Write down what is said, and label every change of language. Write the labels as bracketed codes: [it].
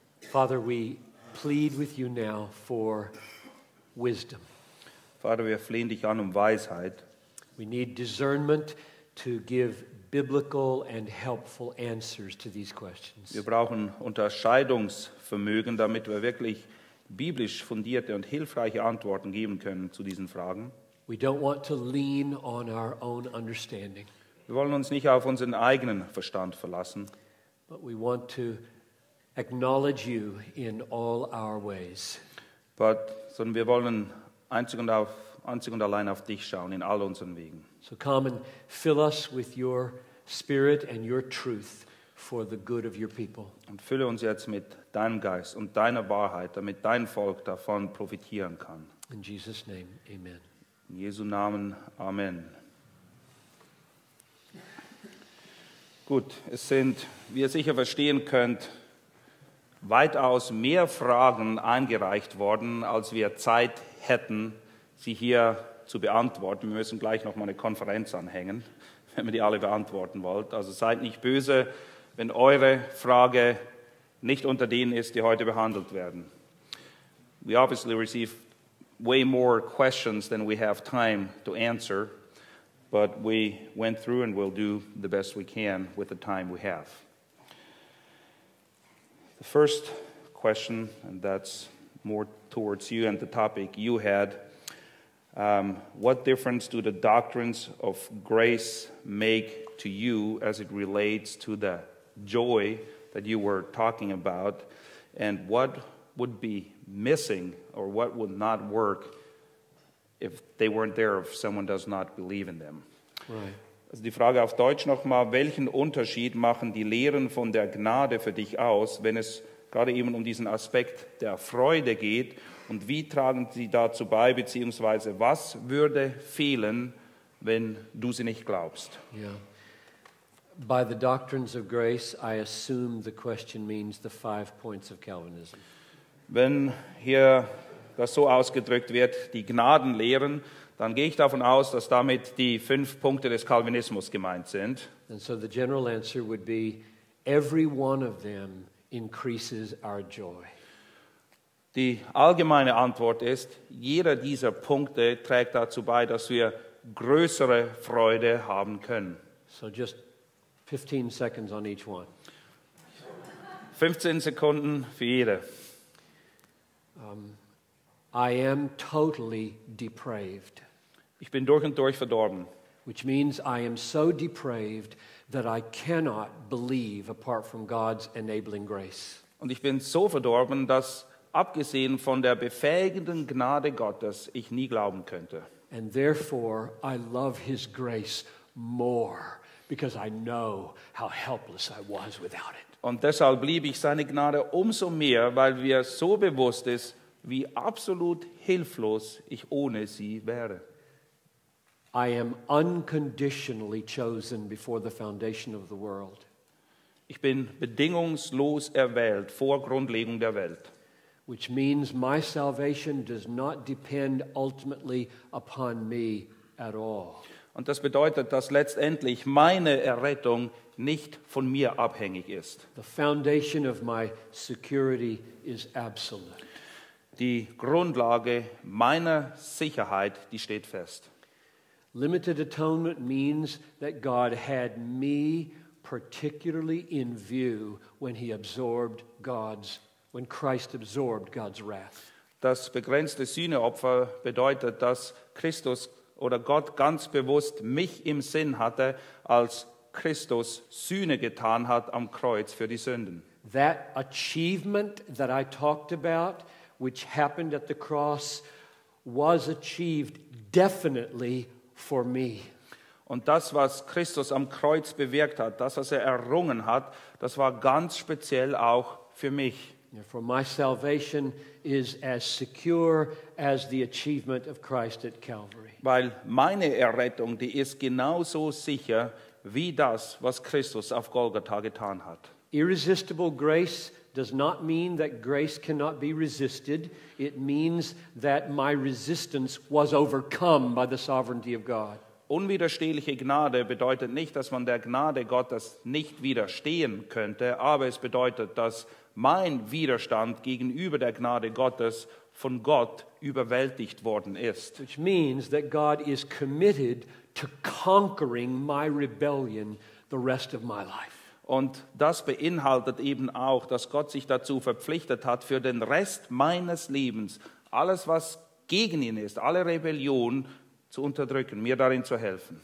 [en] Father, we plead with you now for wisdom. [de] Vater, wir flehen dich an um Weisheit. [en] We need discernment to give biblical and helpful answers to these questions. [de] Wir brauchen Unterscheidungsvermögen, damit wir wirklich biblisch fundierte und hilfreiche Antworten geben können zu diesen Fragen. [en] We don't want to lean on our own understanding. [de] Wir wollen uns nicht auf unseren eigenen Verstand verlassen. [en] But we want to acknowledge you in all our ways. [de] Sondern wir wollen einzig und allein auf dich schauen in all unseren Wegen. [en] So come and fill us with your spirit and your truth for the good of your people. [de] Und fülle uns jetzt mit deinem Geist und deiner Wahrheit, damit dein Volk davon profitieren kann. [en] In Jesus' name, amen. [de] In Jesu Namen, Amen. Gut, es sind, wie ihr sicher verstehen könnt, weitaus mehr Fragen eingereicht worden, als wir Zeit hätten, sie hier zu beantworten. Wir müssen gleich noch mal eine Konferenz anhängen, wenn wir die alle beantworten wollt. Also seid nicht böse, wenn eure Frage nicht unter denen ist, die heute behandelt werden. [en] We obviously received way more questions than we have time to answer, but we went through and we'll do the best we can with the time we have. The first question, and that's more towards you and the topic you had, what difference do the doctrines of grace make to you as it relates to the joy that you were talking about, and what would be missing or what would not work if they weren't there, if someone does not believe in them? Right. [de] Also die Frage auf Deutsch nochmal: Welchen Unterschied machen die Lehren von der Gnade für dich aus, wenn es gerade eben um diesen Aspekt der Freude geht, und wie tragen sie dazu bei, beziehungsweise was würde fehlen, wenn du sie nicht glaubst? [en] Yeah. By the doctrines of grace, I assume the question means the 5 points of Calvinism. [de] Wenn hier das so ausgedrückt wird, die Gnadenlehren, dann gehe ich davon aus, dass damit die 5 Punkte des Calvinismus gemeint sind. [en] And so the general answer would be, every one of them increases our joy. [de] Die allgemeine Antwort ist, jeder dieser Punkte trägt dazu bei, dass wir größere Freude haben können. [en] So just 15 seconds on each one. [de] 15 Sekunden für jede. [en] I am totally depraved. [de] Ich bin durch und durch verdorben. [en] Which means I am so depraved that I cannot believe apart from God's enabling grace. [de] Und ich bin so verdorben, dass abgesehen von der befähigenden Gnade Gottes ich nie glauben könnte. [en] And therefore I love his grace more, because I know how helpless I was without it. [de] Und deshalb liebe ich seine Gnade umso mehr, weil mir so bewusst ist, wie absolut hilflos ich ohne sie wäre. [en] I am unconditionally chosen before the foundation of the world. [de] Ich bin bedingungslos erwählt vor Grundlegung der Welt. [en] Which means my salvation does not depend ultimately upon me at all. [de] Und das bedeutet, dass letztendlich meine Errettung nicht von mir abhängig ist. [en] The foundation of my security is absolute. [de] Die Grundlage meiner Sicherheit, die steht fest. [en] Limited atonement means that God had me particularly in view when he absorbed God's, when Christ absorbed God's wrath. [de] Das begrenzte Sühneopfer bedeutet, dass Christus oder Gott ganz bewusst mich im Sinn hatte, als Christus Sühne getan hat am Kreuz für die Sünden. [en] That achievement that I talked about, which happened at the cross, was achieved definitely for me. [de] Und das, was Christus am Kreuz bewirkt hat, das, was errungen hat, das war ganz speziell auch für mich. [en] For my salvation is as secure as the achievement of Christ at Calvary. [de] Weil meine Errettung, die ist genauso sicher wie das, was Christus auf Golgatha getan hat. [en] Irresistible grace does not mean that grace cannot be resisted. It means that my resistance was overcome by the sovereignty of God. [de] Unwiderstehliche Gnade bedeutet nicht, dass man der Gnade Gottes nicht widerstehen könnte, aber es bedeutet, dass mein Widerstand gegenüber der Gnade Gottes von Gott überwältigt worden ist. [en] Which means that God is committed to conquering my rebellion the rest of my life. [de] Und das beinhaltet eben auch, dass Gott sich dazu verpflichtet hat, für den Rest meines Lebens alles, was gegen ihn ist, alle Rebellion zu unterdrücken, mir darin zu helfen.